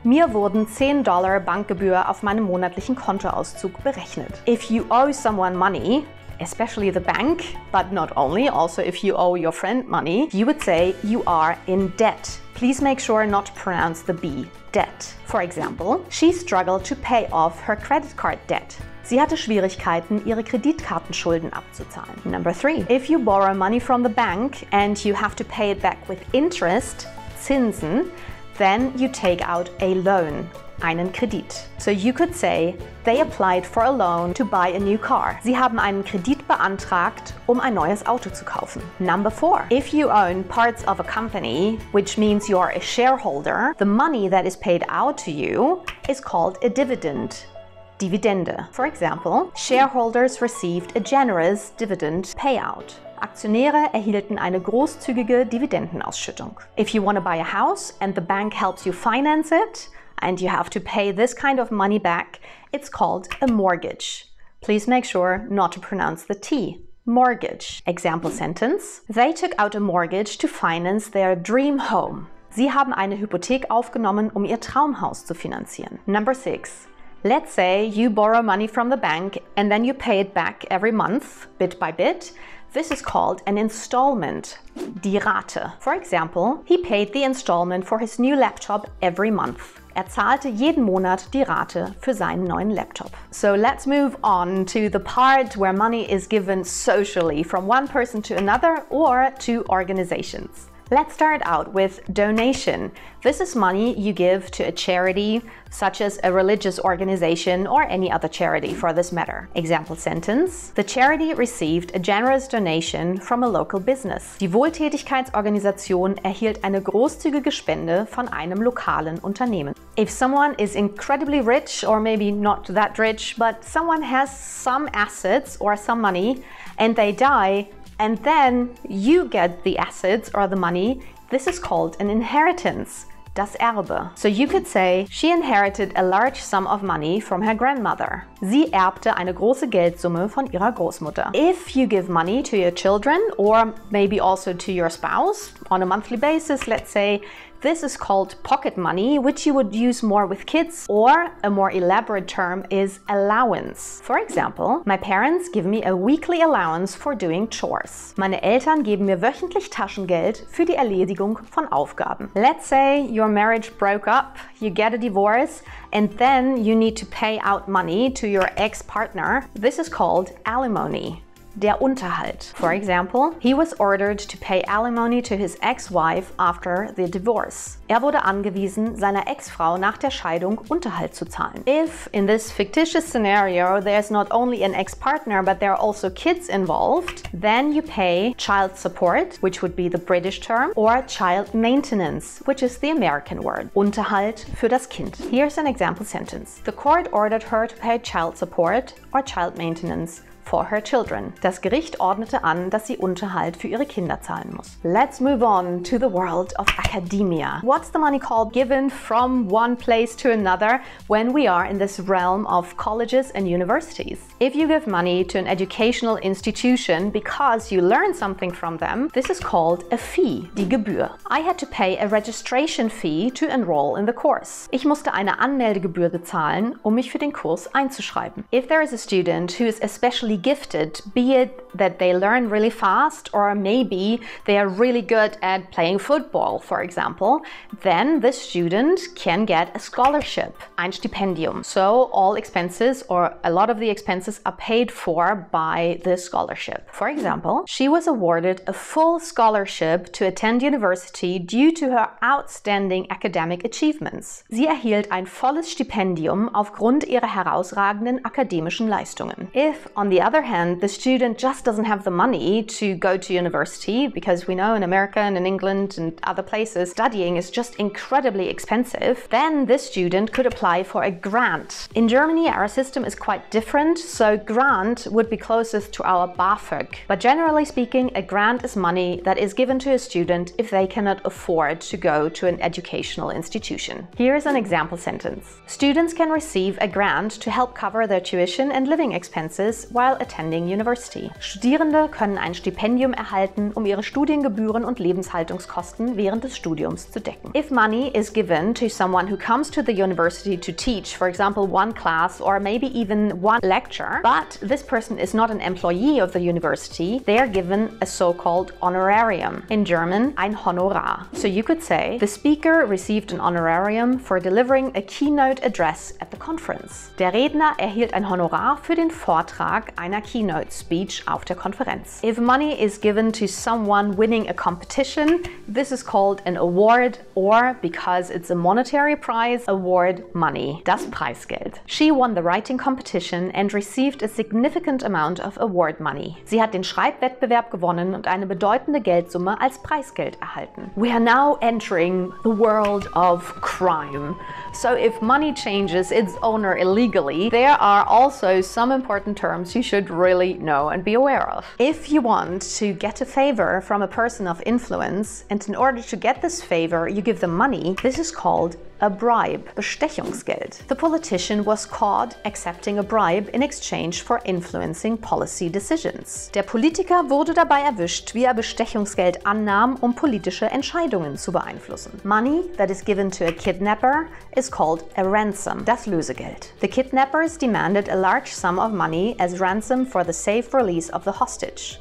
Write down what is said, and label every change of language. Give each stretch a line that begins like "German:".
German: Mir wurden $10 Bankgebühr auf meinem monatlichen Kontoauszug berechnet.
English: If you owe someone money, especially the bank, but not only, also if you owe your friend money, you would say you are in debt. Please make sure not to pronounce the B, debt. For example, she struggled to pay off her credit card debt.
German: Sie hatte Schwierigkeiten, ihre Kreditkartenschulden abzuzahlen.
English: Number three, if you borrow money from the bank and you have to pay it back with interest, Zinsen, then you take out a loan,
German: einen Kredit.
English: So you could say, they applied for a loan to buy a new car.
German: Sie haben einen Kredit beantragt, um ein neues Auto zu kaufen.
English: Number four, if you own parts of a company, which means you are a shareholder, the money that is paid out to you is called a dividend. Dividende. For example, shareholders received a generous dividend payout.
German: Aktionäre erhielten eine großzügige Dividendenausschüttung.
English: If you want to buy a house and the bank helps you finance it and you have to pay this kind of money back, it's called a mortgage. Please make sure not to pronounce the T. Mortgage. Example sentence. They took out a mortgage to finance their dream home.
German: Sie haben eine Hypothek aufgenommen, um ihr Traumhaus zu finanzieren.
English: Number six. Let's say you borrow money from the bank and then you pay it back every month, bit by bit. This is called an installment,
German: die Rate.
English: For example, he paid the installment for his new laptop every month.
German: Er zahlte jeden Monat die Rate für seinen neuen Laptop.
English: So let's move on to the part where money is given socially from one person to another or to organizations. Let's start out with donation. This is money you give to a charity, such as a religious organization or any other charity for this matter. Example sentence. The charity received a generous donation from a local business.
German: Die Wohltätigkeitsorganisation erhielt eine großzügige Spende von einem lokalen Unternehmen.
English: If someone is incredibly rich, or maybe not that rich, but someone has some assets or some money and they die, and then you get the assets or the money, this is called an inheritance,
German: das Erbe.
English: So you could say, she inherited a large sum of money from her grandmother.
German: Sie erbte eine große Geldsumme von ihrer Großmutter.
English: If you give money to your children or maybe also to your spouse on a monthly basis, let's say, this is called pocket money, which you would use more with kids, or a more elaborate term is allowance. For example, my parents give me a weekly allowance for doing chores.
German: Meine Eltern geben mir wöchentlich Taschengeld für die Erledigung von Aufgaben.
English: Let's say your marriage broke up, you get a divorce, and then you need to pay out money to your ex-partner. This is called alimony.
German: Der Unterhalt.
English: For example, he was ordered to pay alimony to his ex-wife after the divorce.
German: Er wurde angewiesen, seiner Ex-Frau nach der Scheidung Unterhalt zu zahlen.
English: If, in this fictitious scenario, there's not only an ex-partner, but there are also kids involved, then you pay child support, which would be the British term, or child maintenance, which is the American word.
German: Unterhalt für das Kind.
English: Here's an example sentence. The court ordered her to pay child support, or child maintenance, for her children.
German: Das Gericht ordnete an, dass sie Unterhalt für ihre Kinder zahlen muss.
English: Let's move on to the world of academia. What's the money called given from one place to another when we are in this realm of colleges and universities? If you give money to an educational institution because you learn something from them, this is called a fee,
German: die Gebühr.
English: I had to pay a registration fee to enroll in the course.
German: Ich musste eine Anmeldegebühr bezahlen, um mich für den Kurs einzuschreiben.
English: If there is a student who is especially gifted, be it that they learn really fast or maybe they are really good at playing football, for example, then this student can get a scholarship,
German: ein Stipendium.
English: So all expenses or a lot of the expenses are paid for by the scholarship. For example, she was awarded a full scholarship to attend university due to her outstanding academic achievements.
German: Sie erhielt ein volles Stipendium aufgrund ihrer herausragenden akademischen Leistungen.
English: If, on the other hand, the student just doesn't have the money to go to university, because we know in America and in England and other places, studying is just incredibly expensive, then this student could apply for a grant. In Germany, our system is quite different, so grant would be closest to our BAföG. But generally speaking, a grant is money that is given to a student if they cannot afford to go to an educational institution. Here is an example sentence. Students can receive a grant to help cover their tuition and living expenses while attending university.
German: Studierende können ein Stipendium erhalten, um ihre Studiengebühren und Lebenshaltungskosten während des Studiums zu decken.
English: If money is given to someone who comes to the university to teach, for example, one class or maybe even one lecture, but this person is not an employee of the university, they are given a so-called honorarium. In German,
German: ein Honorar.
English: So you could say, the speaker received an honorarium for delivering a keynote address at the conference.
German: Der Redner erhielt ein Honorar für den Vortrag einer Keynote Speech auf der Konferenz.
English: If money is given to someone winning a competition, this is called an award or, because it's a monetary prize, award money,
German: das Preisgeld.
English: She won the writing competition and received a significant amount of award money.
German: Sie hat den Schreibwettbewerb gewonnen und eine bedeutende Geldsumme als Preisgeld erhalten.
English: We are now entering the world of crime. So if money changes its owner illegally, there are also some important terms you should really know and be aware of. If you want to get a favor from a person of influence, and in order to get this favor, you give them money, this is called a bribe, Bestechungsgeld. The politician was caught accepting a bribe in exchange for influencing policy decisions.
German: Der Politiker wurde dabei erwischt, wie er Bestechungsgeld annahm, um politische Entscheidungen zu beeinflussen.
English: Money that is given to a kidnapper is called a ransom,
German: das Lösegeld.
English: The kidnappers demanded a large sum of money as ransom for the safe release of the hostage.